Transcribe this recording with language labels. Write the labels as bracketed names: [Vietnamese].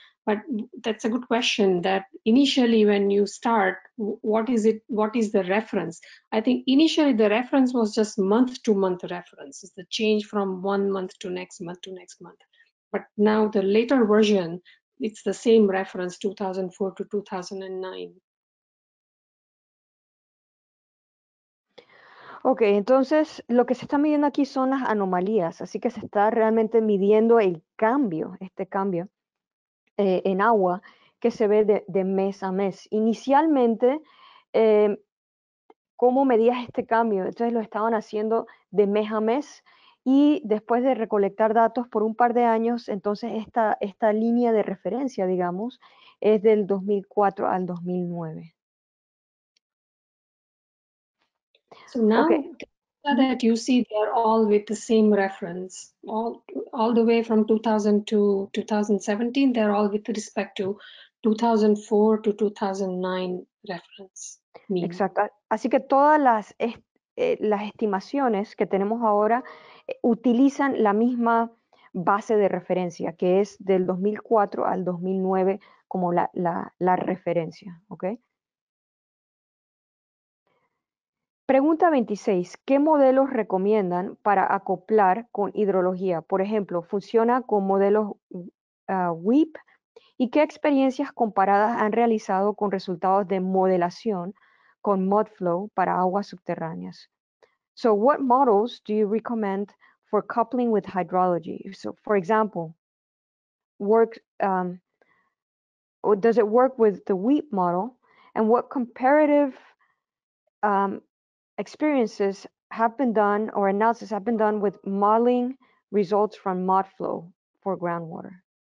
[English] But that's a good question, that initially when you start, what is it, what is the reference? I think initially the reference was just month to month reference. It's the change from 1 month to next month to next month. But now the later version, it's the same reference, 2004 to 2009. [Spanish] Okay, entonces lo que se está midiendo aquí son las anomalías. Así que se está realmente midiendo el cambio, este cambio. En agua que se ve de mes a mes. Inicialmente, ¿cómo medías este cambio? Entonces lo estaban haciendo de mes a mes y después de recolectar datos por un par de años, entonces esta línea de referencia, digamos, es del 2004 al 2009. [English] So now, okay. That you see, they are all with the same reference, all the way from 2000 to 2017. They are all with respect to 2004 to 2009 reference. [Spanish] Exacto. Así que todas las estimaciones que tenemos ahora utilizan la misma base de referencia, que es del 2004 al 2009 como la referencia, ¿ok? Pregunta 26. ¿Qué modelos recomiendan para acoplar con hidrología? Por ejemplo, ¿funciona con modelos WIP? ¿Y qué experiencias comparadas han realizado con resultados de modelación con Mudflow para aguas subterráneas? [English] So, what models do you recommend for coupling with hydrology? So, for example, does it work with the WIP model? And what comparative experiences have been done, or analysis have been done, with modeling results from Mudflow for groundwater?